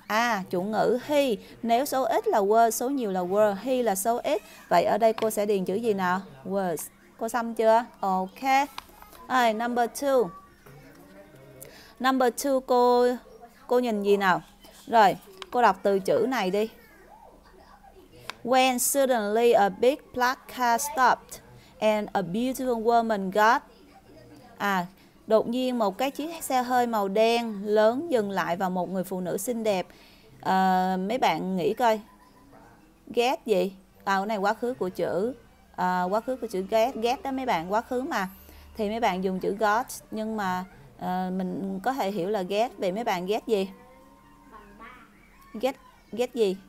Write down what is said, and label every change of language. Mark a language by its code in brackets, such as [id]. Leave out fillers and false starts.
[vi] À, chủ ngữ he. Nếu số ít là was, số nhiều là were, he là số ít. Vậy ở đây cô sẽ điền chữ gì nào? Was. Cô xong chưa? Ok. Rồi, [en] number two. Number two [vi] cô nhìn gì nào? Rồi, cô đọc từ chữ này đi. [en] When suddenly a big black car stopped and a beautiful woman got. [vi] À, đột nhiên một cái chiếc xe hơi màu đen lớn dừng lại và một người phụ nữ xinh đẹp. Mấy bạn nghĩ coi. Get gì? À, cái này quá khứ của chữ get, get đó mấy bạn, quá khứ mà. Thì mấy bạn dùng chữ got nhưng mà mình có thể hiểu là get. Vậy mấy bạn get gì? Get get gì?